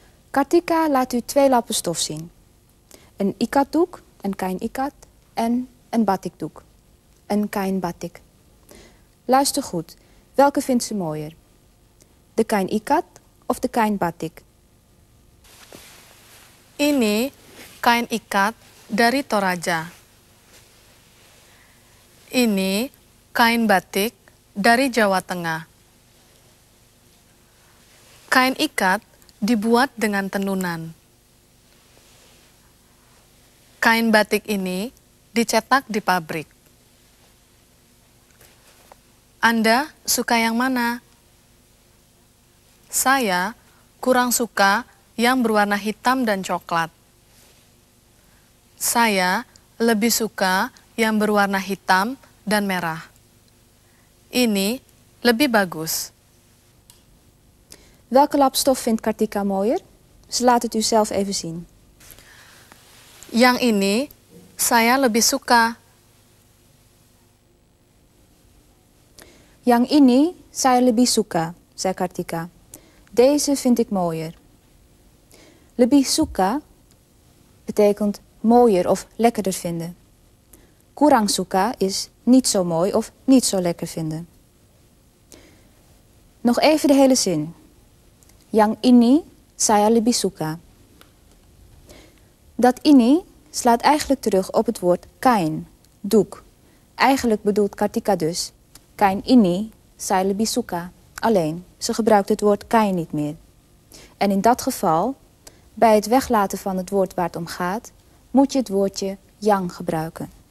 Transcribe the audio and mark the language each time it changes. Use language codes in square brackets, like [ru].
[nl] Kartika laat u 2 lappen stof zien. Een ikatdoek, een kain ikat, en een batikdoek. Een kain batik. Luister goed, welke vindt ze mooier? De kain ikat of de kain batik? [id] Ini kain ikat dari Toraja. Ini kain batik dari Jawa Tengah. Kain ikat dibuat dengan tenunan. Kain batik ini dicetak di pabrik. Anda suka yang mana? Saya kurang suka yang berwarna hitam dan coklat. Saya lebih suka yang berwarna hitam dan merah. Ini lebih bagus. [nl] Welke lap stof vindt Kartika mooier? Ze laat het u zelf even zien. [id] Yang ini saya lebih suka. Yang ini saya lebih suka, [nl] zei Kartika. Deze vind ik mooier. [id] Lebih suka [nl] betekent mooier of lekkerder vinden. [id] Kurang suka [nl] is niet zo mooi of niet zo lekker vinden. Nog even de hele zin. [id] Yang ini saya lebih suka. [nl] Dat ini slaat eigenlijk terug op het woord kain, doek. Eigenlijk bedoelt Kartika dus [id] kain ini saya lebih suka. [nl] Alleen, ze gebruikt het woord kain niet meer. En in dat geval, bij het weglaten van het woord waar het om gaat, moet je het woordje yang gebruiken.